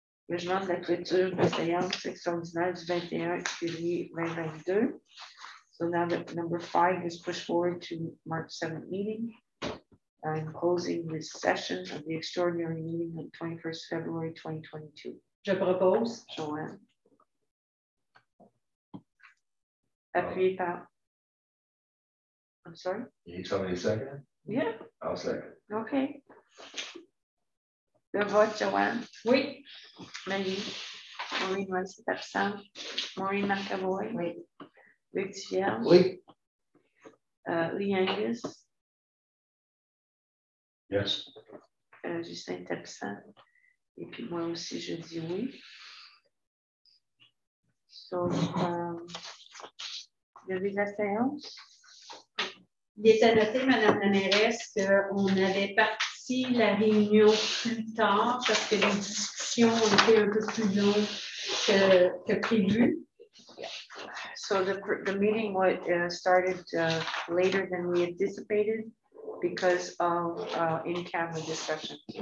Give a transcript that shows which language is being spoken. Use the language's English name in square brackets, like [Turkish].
[French] Le jugement de la clôture de séance extraordinaire du 21 février 2022. [English] So now that number 5 is pushed forward to March 7th meeting. I'm closing this session of the extraordinary meeting on 21st February 2022. [French] Je propose. Joanne. Appuyez par. [English] I'm sorry? You need somebody to second? Yeah. I'll second. [French] Okay. Le vote, Joanne. Oui. Mandy. Maureen Rice Pepsin. Maureen McAvoy. Oui. Luc Thiel. Oui. Lee Angus. [English] Yes. [French] Justin est absent. Et puis moi aussi, je dis oui. So, il y avait la séance. Il est à noter, Madame la mairesse, qu'on avait parti la réunion plus tard parce que les discussions ont été un peu plus longues que prévu. [English] So the meeting started later than we anticipated because of in-camera discussion.